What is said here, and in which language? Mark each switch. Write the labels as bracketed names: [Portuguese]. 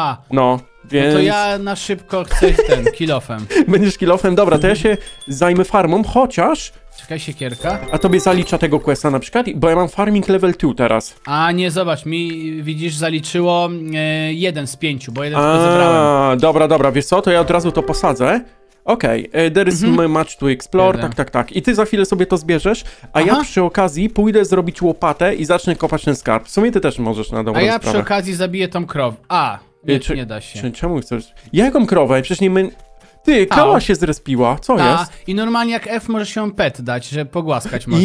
[Polish] No to ja na szybko chcę ten, kill-offem. Będziesz kill-offem? Dobra, to ja się zajmę farmą, chociaż... Czekaj, siekierka. A tobie zalicza tego questa na przykład? Bo ja mam farming level 2 teraz. A nie, zobacz, mi, widzisz, zaliczyło jeden z pięciu, bo jeden zebrałem. Dobra, wiesz co, to ja od razu to posadzę. [English] Okej, there is much to explore, tak. [Polish] I ty za chwilę sobie to zbierzesz, ja przy okazji pójdę zrobić łopatę i zacznę kopać ten skarb. W sumie ty też możesz na dobrą sprawę. A ja przy okazji zabiję tą krowę. Nie da się. Czemu chcesz? Jaką krowę? Przecież nie my... Ty, kała się zrespiła, co jest? I normalnie jak F możesz ją pet dać, że pogłaskać możesz.